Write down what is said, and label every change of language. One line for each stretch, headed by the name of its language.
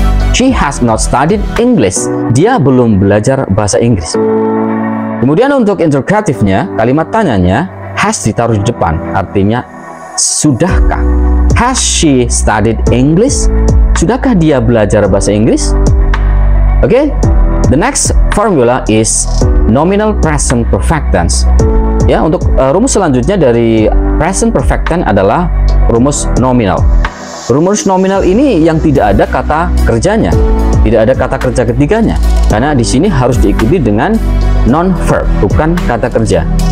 English: She has not studied English,
Indonesian: dia belum belajar bahasa Inggris. Kemudian untuk interrogative-nya, kalimat tanyanya, has ditaruh di depan, artinya sudahkah?
English: Has she studied English?
Indonesian: Sudahkah dia belajar bahasa Inggris?
English: Okay, the next formula is nominal present perfect tense.
Indonesian: Ya, untuk rumus selanjutnya dari present perfect tense adalah rumus nominal. Rumus nominal ini yang tidak ada kata kerjanya, tidak ada kata kerja ketiganya, karena di sini harus diikuti dengan non-verb, bukan kata kerja.